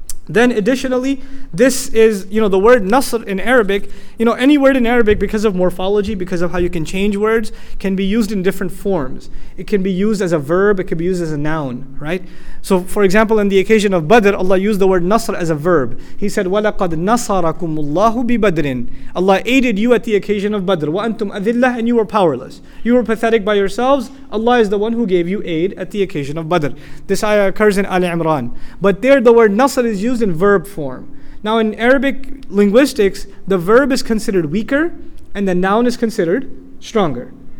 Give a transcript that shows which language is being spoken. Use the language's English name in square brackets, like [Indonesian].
[English] Then additionally, this is, you know, the word nasr in Arabic, you know, any word in Arabic, because of morphology, because of how you can change words, can be used in different forms. It can be used as a verb, it can be used as a noun, right? So for example, in the occasion of Badr, Allah used the word Nasr as a verb. He said, [Arabic] وَلَقَدْ نَصَرَكُمُ اللَّهُ بِبَدْرٍ. [English] Allah aided you at the occasion of Badr. [Arabic] وَأَنْتُمْ أَذِلَّهُ. [English] And you were powerless. You were pathetic by yourselves. Allah is the one who gave you aid at the occasion of Badr. This ayah occurs in Ali Imran. But there the word Nasr is used in verb form. Now in Arabic linguistics, the verb is considered weaker and the noun is considered stronger.